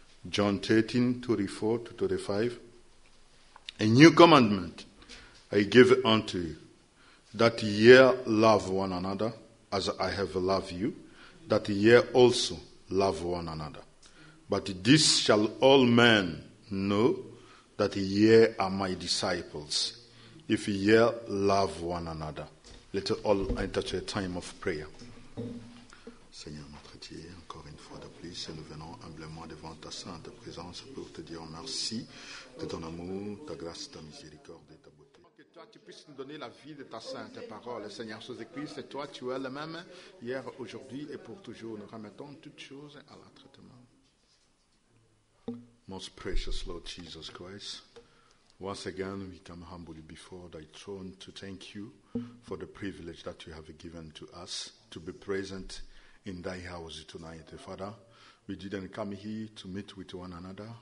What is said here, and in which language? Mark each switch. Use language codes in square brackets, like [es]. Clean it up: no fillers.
[en] John 13, 34 to 35. A new commandment I give unto you, that ye love one another as I have loved you, that ye also love one another. But this shall all men know, that ye are my disciples, if ye love one another. Let us all enter to a time of prayer. [fr] Seigneur, notre Dieu, encore une fois de plus, nous venons humblement devant ta sainte présence pour te dire merci de ton amour, ta grâce, ta miséricorde. Tu puisses nous donner la vie de ta sainte parole, Seigneur Jésus-Christ, et toi, tu es le même, hier, aujourd'hui et pour toujours. Nous remettons toutes choses à la traitement. [en] Most precious Lord Jesus Christ, Once again, we come humbly before thy throne to thank you for the privilege that you have given to us to be present in thy house tonight. Father, we didn't come here to meet with one another.